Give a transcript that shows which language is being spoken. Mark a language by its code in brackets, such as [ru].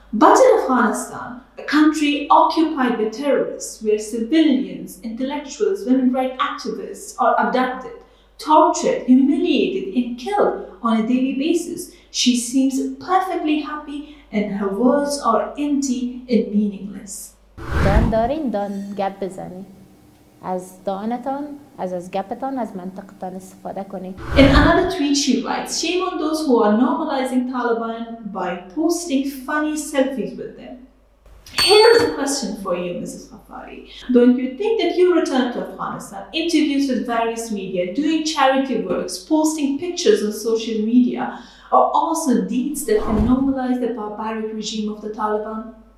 [en] But in Afghanistan, a country occupied by terrorists, where civilians, intellectuals, women's rights activists are abducted, tortured, humiliated, and killed on a daily basis, she seems perfectly happy and her words are empty and meaningless. Don't worry, don't get busy. [fa] از دانتان، از گپتان، از منطقتان استفاده کنید. [en] In another tweet she writes, shame on those who are normalizing Taliban by posting funny selfies with them. Here's a question for you, Mrs. Ghafari. Don't you think that your return to Afghanistan, interviews with various media, doing charity works, posting pictures on social media, are also deeds that can normalize the barbaric regime of the Taliban?